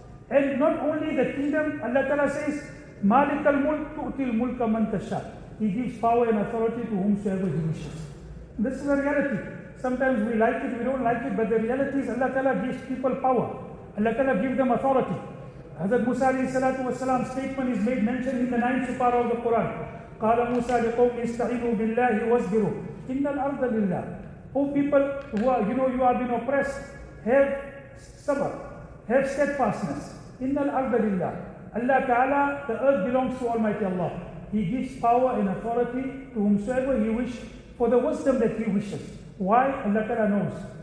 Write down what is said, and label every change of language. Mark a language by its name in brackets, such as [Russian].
[English] And not only the kingdom, Allah Ta'ala says, [Arabic] مالك الملك تؤتي الملك من تشاء. [English] He gives power and authority to whomsoever He wishes. This is the reality. Sometimes we like it, we don't like it, but the reality is Allah Ta'ala gives people power. Allah Ta'ala gives them authority. Hazrat Musa alayhi salatu wasalam's statement is made mentioned in the 9th surah of the Quran. [Arabic] قال موسى لقوم استعينوا بالله واصبروا إن الأرض لله. [English] Oh people who are, you know, you have been oppressed, have sabr, have steadfastness. [Arabic] إن الأرض لله. [English] Allah Ta'ala, the earth belongs to Almighty Allah. He gives power and authority to whomsoever He wishes for the wisdom that He wishes. Why? Allah Ta'ala knows.